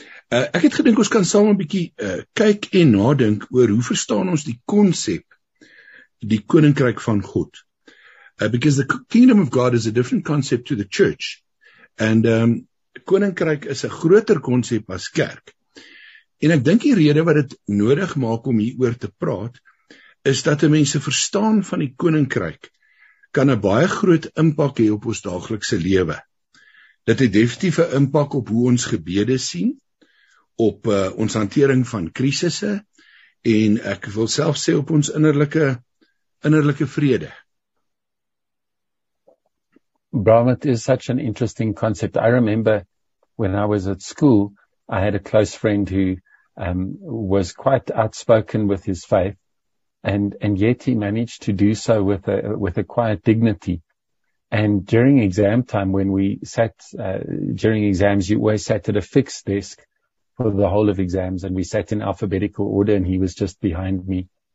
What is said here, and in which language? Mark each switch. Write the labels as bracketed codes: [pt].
[af] Ek het gedink ons kan saam 'n bietjie kyk en nadink oor hoe verstaan ons die konsep die koninkryk van God. [en] Because the kingdom of God is a different concept to the church. [af] And koninkryk is 'n groter konsep as kerk. En ek dink die rede wat dit nodig maak om hieroor te praat is dat mense verstaan van die koninkryk kan 'n baie groot impak hê op ons daaglikse lewe. Dit het definitief 'n impak op hoe ons gebede sien, op ons hantering van krisisse, en ek wil self sê op ons innerlike vrede. [en] Bram, it is such an interesting concept. I remember when I was at school, I had a close friend who was quite outspoken with his faith, and yet he managed to do so with a quiet dignity. And during exam time, when we sat during exams, you always sat at a fixed desk for the whole of exams, and we sat in alphabetical order, and he was just behind me.